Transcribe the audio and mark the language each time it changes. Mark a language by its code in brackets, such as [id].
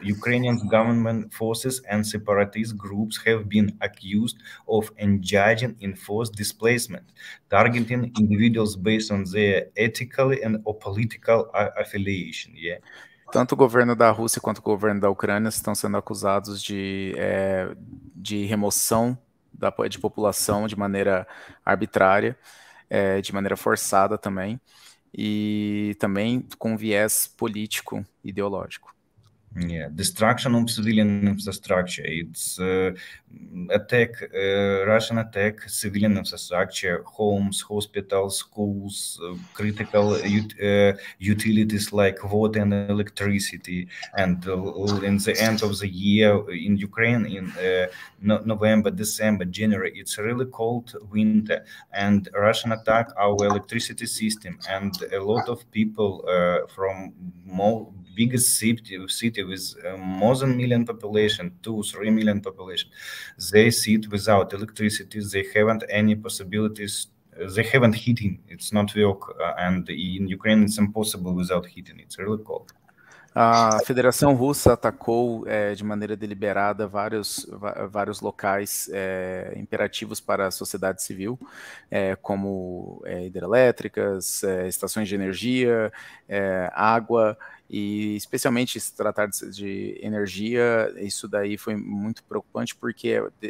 [en] Ukrainian government forces and separatist groups have been accused of engaging in forced displacement, targeting individuals based on their ethical and or political affiliation. Yeah. [pt] Tanto o governo da Rússia quanto o governo da Ucrânia estão sendo acusados de de remoção de população de maneira arbitrária, de maneira forçada também, e também com viés político ideológico. [en] Yeah, destruction of civilian infrastructure. It's Russian attack civilian infrastructure, homes, hospitals, schools, critical utilities like water and electricity. And in the end of the year in Ukraine, in November, December, January, it's really cold winter, and Russian attack our electricity system, and a lot of people from more biggest city with more than million population, 2-3 million population, they sit without electricity, they haven't any possibilities, they haven't heating, it's not work, and in Ukraine it's impossible without heating, it's really cold. [pt] A Federação Russa atacou de maneira deliberada vários locais imperativos para a sociedade civil, como hidrelétricas, estações de energia, água, e especialmente se tratar de energia, isso daí foi muito preocupante, porque